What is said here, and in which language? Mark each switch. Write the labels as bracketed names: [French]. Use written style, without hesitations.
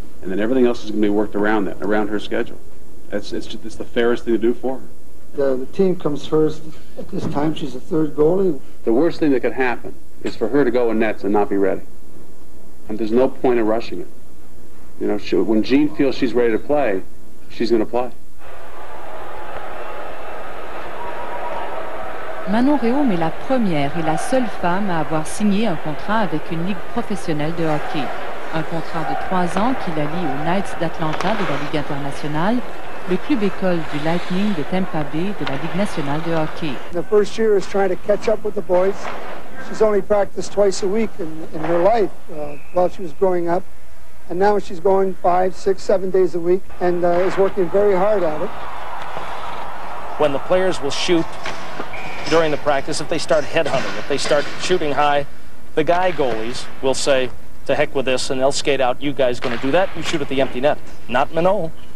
[English] And then everything else is going to be worked around that, around her schedule. It's the fairest thing to do for her. The team comes first. At this time, she's a third goalie. The worst thing that could happen is for her to go in nets and not be ready. And there's no point in rushing it. You know, when Jean feels she's ready to play, she's going to play. [French] Manon Rheaume est la première et la seule femme à avoir signé un contrat avec une ligue professionnelle de hockey. Un contrat de 3 ans qui la lie aux Knights d'Atlanta de la Ligue internationale, le club école du Lightning de Tampa Bay de la Ligue nationale de hockey. [English] The first year is trying to catch up with the boys. She's only practiced twice a week in her life while she was growing up. And now she's going 5, 6, 7 days a week and is working very hard at it. When the players will shoot during the practice, if they start headhunting, if they start shooting high, the guy goalies will say, to heck with this, and they'll skate out. You guys going to do that? You shoot at the empty net. Not Manon.